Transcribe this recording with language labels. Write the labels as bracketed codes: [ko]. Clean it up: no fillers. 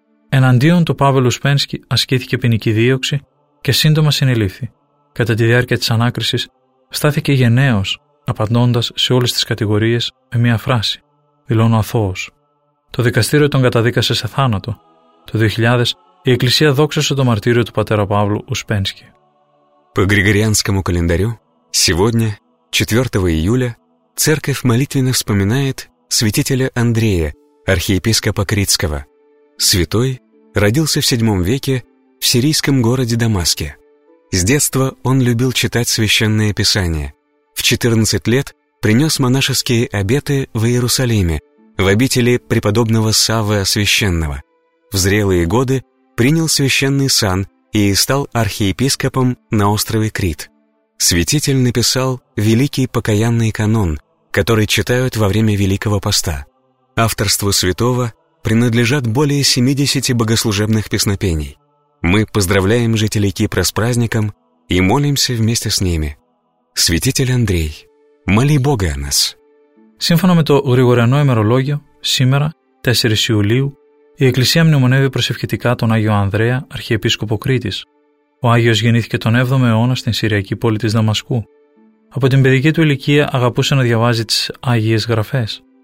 [el] Εναντίον του Παύλου Ουσπένσκι ασκήθηκε ποινική δίωξη και σύντομα συνελήφθη. Κατά τη διάρκεια της ανάκρισης στάθηκε γενναίος, απαντώντας σε όλες τις κατηγορίες με μία φράση: «Δηλώνω αθώος». Το δικαστήριο τον καταδίκασε σε θάνατο. Το 2000 η Εκκλησία δόξασε το μαρτύριο του πατέρα Παύλου Ουσπένσκι. [ru] По григорианскому календарю сегодня, 4 июля, церковь молитвенно вспоминает святителя Андрея, архиепископа Критского. Святой родился в VII веке в сирийском городе Дамаске. С детства он любил читать священные писания. В 14 лет принес монашеские обеты в Иерусалиме, в обители преподобного Саввы Освященного. В зрелые годы принял священный сан и стал архиепископом на острове Крит. Святитель написал «Великий покаянный канон», который читают во время Великого Поста. Авторству святого принадлежат более 70 богослужебных песнопений. Мы поздравляем жителей Кипра с праздником и молимся вместе с ними. Святитель Андрей, моли Бога о нас. [el] Σύμφωνα με το γρηγοριανό ημερολόγιο, σήμερα, 4 Ιουλίου, η Εκκλησία μνημονεύει προσευχητικά τον Άγιο Ανδρέα, Αρχιεπίσκοπο Κρήτης. Ο Άγιος γεννήθηκε τον 7ο αιώνα στην Συριακή πόλη της Δαμασκού. Από την παιδική του ηλικία αγαπούσε να διαβάζει τις Άγιες Γραφές.